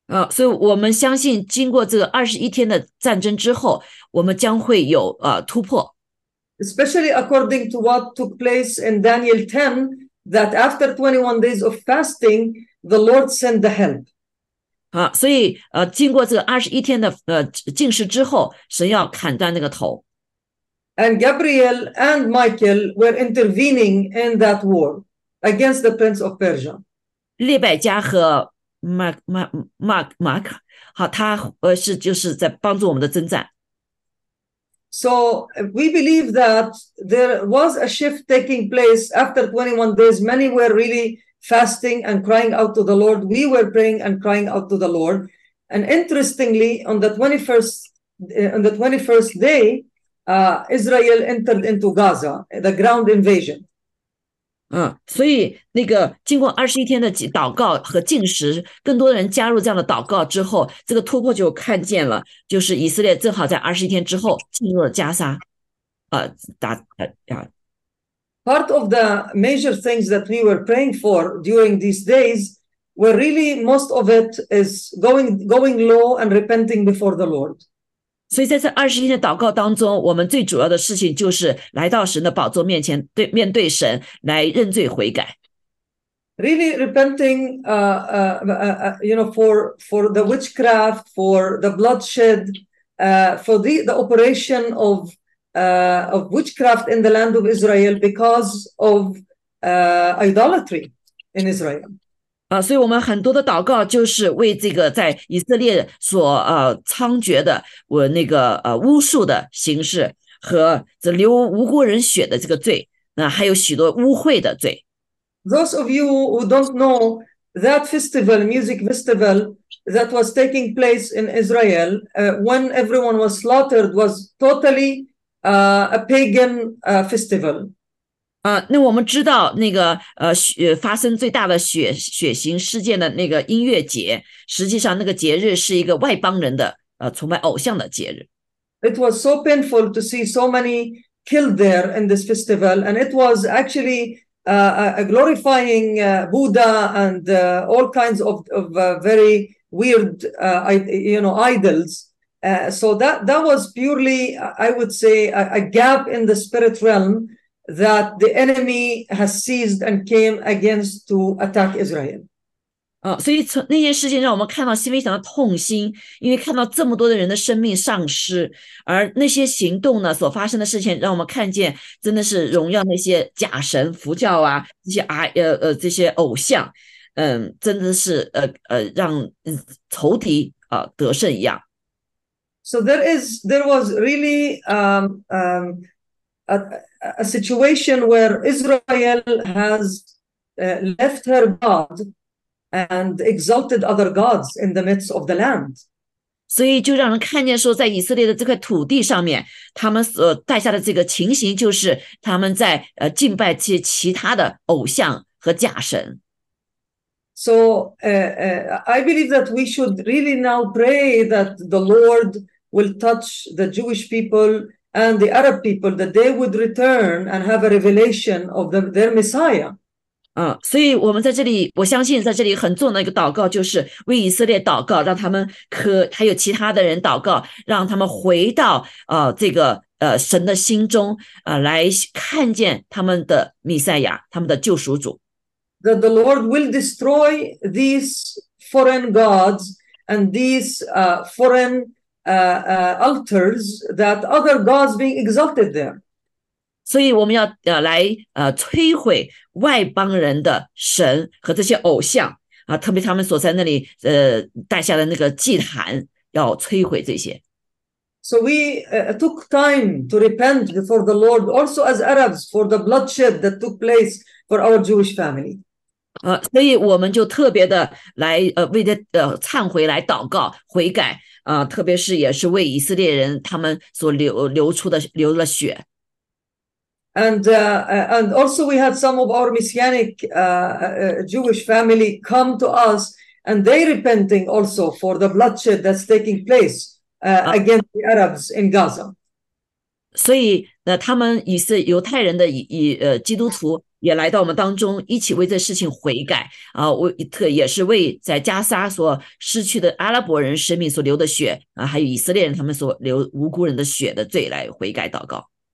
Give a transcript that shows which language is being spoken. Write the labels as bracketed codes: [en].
[zh] 所以我们相信经过这个21天的战争之后，我们将会有突破。 [en] Especially according to what took place in Daniel 10, that after 21 days of fasting, the Lord sent the help. [zh] 所以经过这21天的禁食之后，神要砍断那个头。 [en] And Gabriel and Michael were intervening in that war against the Prince of Persia. [zh] 列百加和 Mark 好，他是就是在帮助我们的征战。 [en] So we believe that there was a shift taking place after 21 days. Many were really fasting and crying out to the Lord. We were praying and crying out to the Lord. And interestingly, on the 21st day, Israel entered into Gaza, the ground invasion. [zh] 所以那个经过21天的祷告和禁食，更多人加入这样的祷告之后，这个突破就看见了，就是以色列正好在21天之后进入了加沙。 [en] Part of the major things that we were praying for during these days were really most of it is going low and repenting before the Lord. [zh] 所以在这二十天的祷告当中，我们最主要的事情就是来到神的宝座面前，对面对神来认罪悔改。 [en] Really repenting, you know, for the witchcraft, for the bloodshed, for the operation of. Of witchcraft in the land of Israel because of idolatry in Israel. [zh] 所以我们很多的祷告就是为这个在以色列所猖獗的我那个巫术的形式和这流无辜人血的这个罪，那还有许多污秽的罪。 [en] Those of you who don't know that festival, music festival. That was taking place in Israel when everyone was slaughtered was totally. A pagan festival. [zh] 那我们知道那个发生最大的血腥事件的那个音乐节，实际上那个节日是一个外邦人的崇拜偶像的节日。 [en] It was so painful to see so many killed there in this festival, and it was actually glorifying Buddha and all kinds of very weird, you know, idols. So that was purely, I would say, a gap in the spirit realm that the enemy has seized and came against to attack Israel. [zh] 所以从那件事情让我们看到心里想到痛心，因为看到这么多的人的生命丧失，而那些行动呢所发生的事情让我们看见真的是荣耀那些假神佛教啊，这些偶像，真的是让仇敌得胜一样。 [en] So there was really a situation where Israel has left her God and exalted other gods in the midst of the land. [zh] 所以就让人看见说，在以色列的这块土地上面，他们所带下的这个情形，就是他们在敬拜其他的偶像和假神。 [en] So I believe that we should really now pray that the Lord will touch the Jewish people and the Arab people, that they would return and have a revelation of their Messiah. [zh] 所以我们在这里，我相信在这里很重要的一个祷告就是为以色列祷告，让他们还有其他的人祷告，让他们回到这个神的心中来看见他们的弥赛亚，他们的救赎主。 [en] That the Lord will destroy these foreign gods and these foreign altars that other gods being exalted there. [zh] 所以我们要摧毁外邦人的神和这些偶像啊，特别他们所在那里带下的那个祭坛，要摧毁这些。 [en] So we took time to repent before the Lord, also as Arabs, for the bloodshed that took place for our Jewish family. [zh] 所以我们就特别的来为他忏悔、来祷告、悔改啊，特别是也是为以色列人他们所流了血。 [en] And also we had some of our Messianic Jewish family come to us, and they repenting also for the bloodshed that's taking place against the Arabs in Gaza. [zh] 所以，他们以色犹太人的基督徒也来到我们当中，一起为这事情悔改啊！也是为在加沙所失去的阿拉伯人生命所流的血啊，还有以色列人他们所流无辜人的血的罪来悔改祷告。